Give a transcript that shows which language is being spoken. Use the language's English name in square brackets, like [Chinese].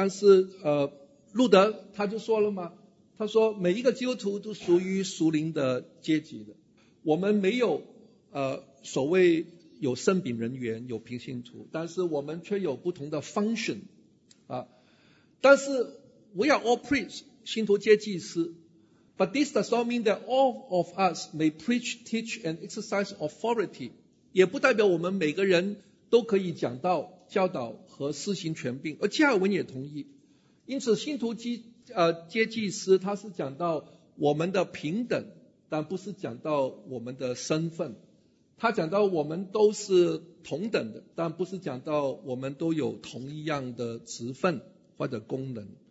[Chinese] 但是，路德他就说了嘛，他说每一个基督徒都属于属灵的阶级的，我们没有所谓有圣秉人员，有平信徒，但是我们却有不同的 function 啊。但是 [English] we are all priests， [Chinese] 信徒皆祭司。 [English] But this does not mean that all of us may preach, teach, and exercise authority. [Chinese] 也不代表我们每个人都可以讲道、教导和施行权柄。而加尔文也同意。因此，信徒皆祭司，他是讲到我们的平等，但不是讲到我们的身份。他讲到我们都是同等的，但不是讲到我们都有同一样的职分或者功能。